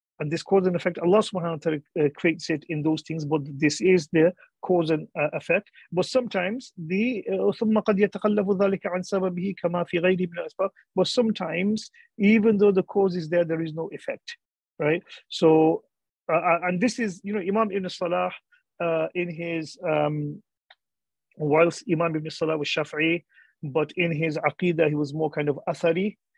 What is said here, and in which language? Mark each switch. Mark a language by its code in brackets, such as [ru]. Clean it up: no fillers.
[en] And this cause and effect, Allah subhanahu wa ta'ala creates it in those things, but this is the cause and effect. But sometimes the [ar] ثُمَّ قَدْ يَتَخَلَّفُ ذَلِكَ عَنْ سَبَبِهِ كَمَا فِي غَيْرِ مِنَ الْأَسْبَابِ. [en] But sometimes, even though the cause is there, there is no effect, right? So, and this is, Imam Ibn Salah, in his, whilst Imam Ibn Salah was Shafi'i, but in his Aqidah, he was more kind of Athari.